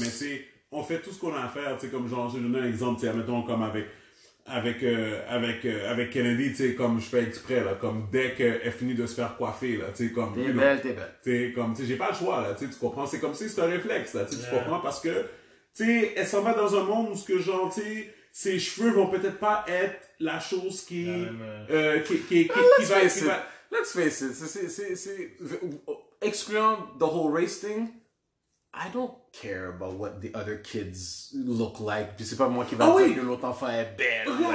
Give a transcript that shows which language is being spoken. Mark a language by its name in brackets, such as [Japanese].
[French] Mais tu sais, on fait tout ce qu'on a à faire, tu sais, comme genre, je donne un exemple, tu sais, mettons, comme avec Kennedy, tu sais, comme je fais exprès, là, comme dès qu'elle finit de se faire coiffer, là, tu sais, comme. T'es belle. Tu sais, comme, tu sais, j'ai pas le choix, là, tu sais, tu comprends? C'est comme si c'était un réflexe, là, tu sais, tu comprends? Parce que, tu sais, elle s'en va dans un monde où ce que, genre, tu sais, ses cheveux vont peut-être pas être la chose qui. Qui va. [English] Let's face it, [French] c'est excluant [English] the whole race thing, I don't care about what the other kids look like. [French] Je sais pas moi qui va dire que l'autre enfant est belle.